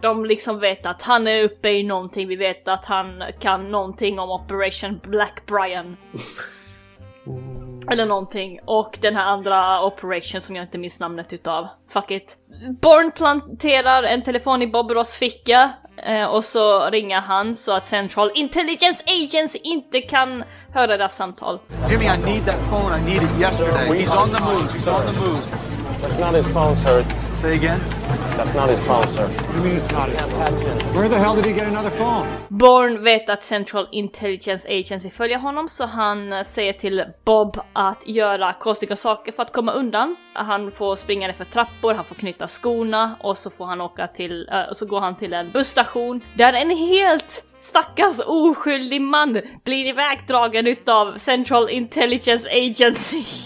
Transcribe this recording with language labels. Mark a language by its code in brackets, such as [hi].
[sv] De liksom vet att han är uppe i någonting. Vi vet att han kan någonting om Operation Black Brian. Eller någonting. Och den här andra operation som jag inte minns namnet utav. Fuck it. Born planterar en telefon i Bob Ross ficka. Och så ringer han så att Central Intelligence Agency inte kan höra deras samtal. [en] Jimmy, I need that phone. I need it yesterday. He's on the move. He's on the move. That's not his phone, sir. Say again? That's not his phone, sir. What do you mean it's not his phone? Where the hell did he get another phone? [sv] Born vet att Central Intelligence Agency följer honom, så han säger till Bob att göra konstiga saker för att komma undan. Han får springa ner för trappor, han får knyta skorna och så får han åka till, så går han till en busstation där en helt stackars oskyldig man blir ivägdragen utav Central Intelligence Agency.